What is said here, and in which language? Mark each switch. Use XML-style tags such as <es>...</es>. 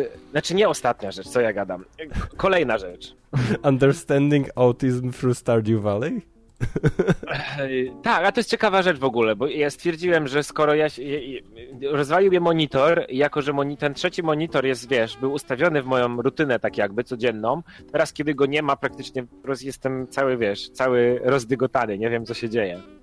<pl>Znaczy nie ostatnia rzecz, co ja gadam. Kolejna rzecz.</pl> <en>Understanding autism through Stardew Valley?</en> <pl>Tak, a to jest ciekawa rzecz w ogóle, bo ja stwierdziłem, że skoro ja rozwalił je monitor, jako że ten trzeci monitor jest, wiesz, był ustawiony w moją rutynę tak jakby codzienną, teraz kiedy go nie ma, praktycznie jestem cały, wiesz, cały rozdygotany, nie wiem co się dzieje.</pl>